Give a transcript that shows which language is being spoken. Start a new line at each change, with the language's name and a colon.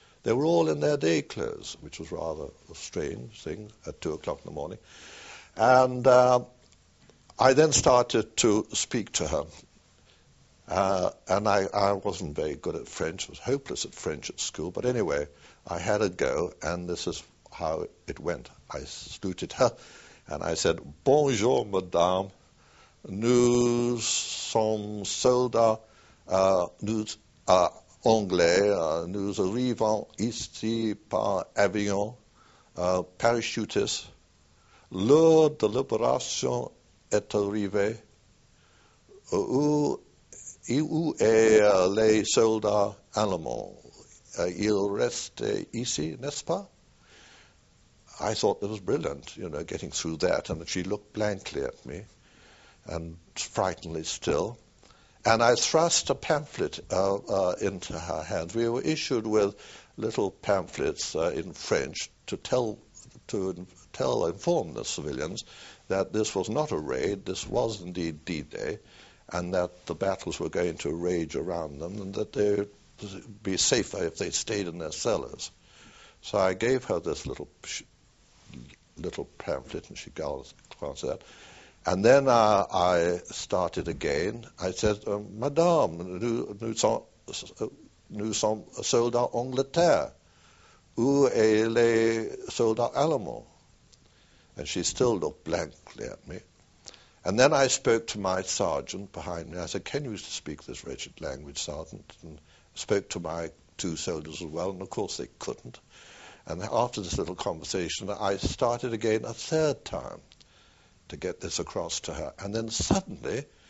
English: They were all in their day clothes, which was rather a strange thing at 2 o'clock in the morning. And I then started to speak to her. And I wasn't very good at French, was hopeless at French at school, but anyway, I had a go, and this is how it went. I saluted her, and I said,
French: "Bonjour, madame, nous sommes soldats, nous anglais, nous arrivons ici par avion, parachutis. L'heure de libération est arrivée. Où est les soldats allemands? Ils restent ici, n'est-ce pas?"
English: I thought that was brilliant, you know, getting through that, and she looked blankly at me, and frighteningly still. And I thrust a pamphlet into her hands. We were issued with little pamphlets in French to inform the civilians that this was not a raid, this was indeed D-Day, and that the battles were going to rage around them, and that they'd be safer if they stayed in their cellars. So I gave her this little pamphlet, and she glanced at that. And then I started again. I said,
French: "Madame, nous sommes soldats anglais. Où est les soldats allemands?"
English: And she still looked blankly at me. And then I spoke to my sergeant behind me. I said, "Can you speak this wretched language, sergeant?" And spoke to my two soldiers as well. And of course they couldn't. And after this little conversation, I started again a third time to get this across to her. And then suddenly,